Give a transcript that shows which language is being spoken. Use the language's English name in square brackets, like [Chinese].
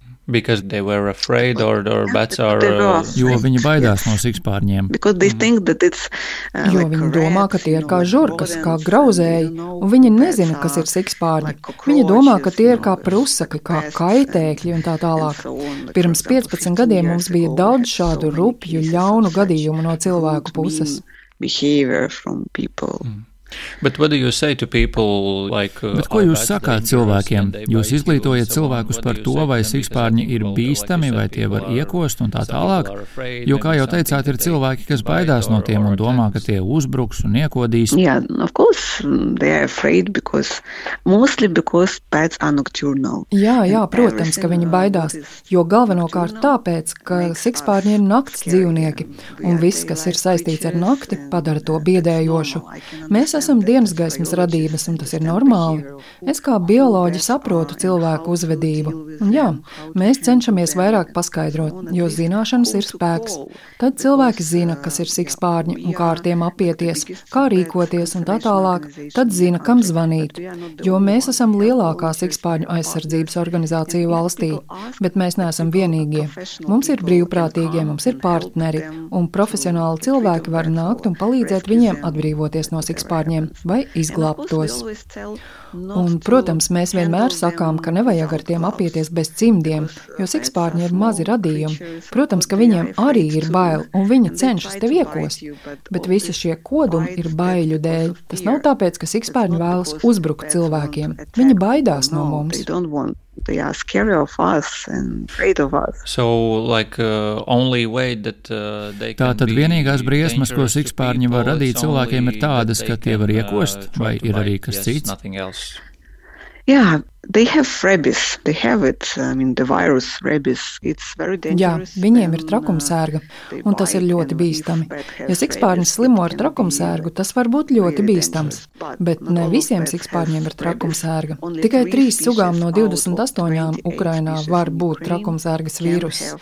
[English] Because they were afraid or bats are [Latvian] jo viņi baidās no sikspārņiem. [English] Because they think that it's [Latvian] jo viņi domā, ka tie ir kā žurkas, kā grauzēji, un viņi nezina, kas ir sikspārņi. Viņi domā, ka tie ir kā prusaki, kā kaitēkļi un tā tālāk. Pirms 15 gadiem mums bija daudz šādu rupju ļaunu gadījumu no cilvēku puses. [English] Behavior from people. But what do you say to people like [Latvian] Bet ko jūs sakāt cilvēkiem? Jūs izglītojat cilvēkus par to, vai sikspārņi ir bīstami, vai tie var iekost un tā tālāk? Jo kā jau teicāt, ir cilvēki, kas baidās no tiem un domā, ka tie uzbruks un iekodīs. [English] Yeah, of course, they are afraid because mostly because pets are nocturnal. [Latvian] Jā, protams, ka viņi baidās, jo galvenokārt tāpēc, ka sikspārņi ir nakts dzīvnieki un viss, kas ir saistīts ar nakti, padara to biedējošu. Mēs esam dienas gaismas radības, un tas ir normāli. Es kā bioloģi saprotu cilvēku uzvedību. Un jā, mēs cenšamies vairāk paskaidrot, jo zināšanas ir spēks. Tad cilvēki zina, kas ir sikspārņi un kā ar tiem apieties, kā rīkoties un tā tālāk, tad zina, kam zvanīt. Jo mēs esam lielākā sikspārņu aizsardzības organizācija valstī, bet mēs neesam vienīgie. Mums ir brīvprātīgie, mums ir partneri, un profesionāli cilvēki var nākt un palīdzēt viņiem atbrīvoties no sikspārņiem vai izglābtos. Un, protams, mēs vienmēr sakām, ka nevajag ar tiem apieties bez cimdiem, jo sikspārņi ir mazi radījumi. Protams, ka viņiem arī ir baili, un viņi cenšas tev iekost. Bet visi šie kodumi ir baiļu dēļ. Tas nav tāpēc, ka sikspārņi vēlas uzbrukt cilvēkiem. Viņi baidās no mums. [English] They are scary of us and afraid of us. So like only way that they can [Latvian] Tātad vienīgās briesmas, ko sikspārņi var radīt cilvēkiem ir tādas, ka tie var iekost, vai ir arī kas cits? [English] Yeah, they have rabies. They have it, the virus rabies. It's very dangerous. [Latvian] Jā, viņiem ir trakumsērga, un tas ir ļoti bīstami. Ja sikspārņis slimo ar trakumsērgu, tas var būt ļoti bīstams. Bet ne visiem sikspārņiem ir trakumsērga. Tikai 3 sugām no 28 Ukrainā var būt trakumsērgas vīrus.